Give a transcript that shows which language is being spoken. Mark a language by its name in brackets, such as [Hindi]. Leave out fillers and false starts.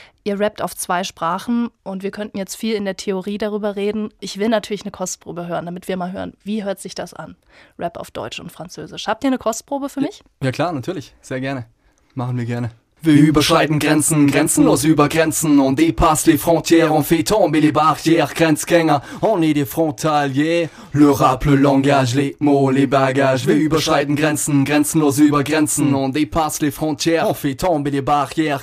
[German] Ihr rappt auf zwei Sprachen und wir könnten jetzt viel in der Theorie darüber reden. Ich will natürlich eine Kostprobe hören, damit wir mal hören, wie hört sich das an? Rap auf Deutsch und Französisch. Habt ihr eine Kostprobe für mich? Ja klar, natürlich. Sehr gerne. Machen wir gerne. Wir überschreiten Grenzen, grenzenlos über Grenzen. [French] On dépasse les frontières, on fait tomber les barrières. Grenzgänger, on est des frontaliers. Le rap, le langage, les mots, les bagages. [German] Wir überschreiten Grenzen, grenzenlos über Grenzen. [French] On dépasse les frontières, on fait tomber les barrières.